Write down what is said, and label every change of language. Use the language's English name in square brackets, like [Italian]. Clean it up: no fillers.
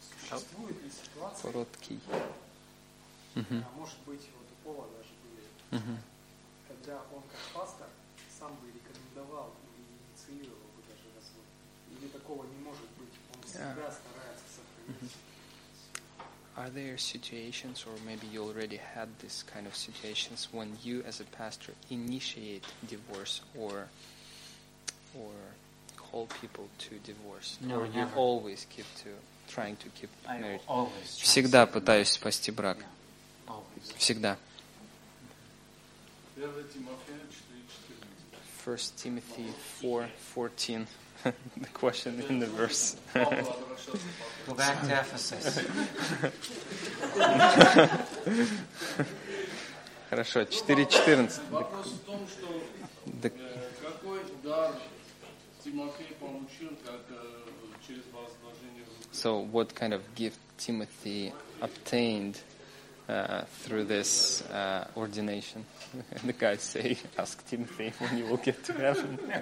[Russian] А может быть, вот у Пола даже были, когда он как пастор сам бы рекомендовал или инициировал бы даже развод. Или такого не может быть. Он всегда старается сохранить. [English] Are there situations, or maybe you already had this kind of situations, when you as a pastor initiate divorce or call people to divorce? No, or never. You always keep to trying to keep married? I always try. [Russian] Всегда пытаюсь спасти брак. [English] Yeah. Always. [Russian] Всегда. [English] 1 Timothy 4:14. The question in the verse. Go back to Ephesus. [Russian] Хорошо, 4:14. Вопрос в том, что какой дар Тимофей получил как через возложение рук. [English] So what kind of gift Timothy obtained through this ordination? And the guys say, ask Timothy when you will get to heaven.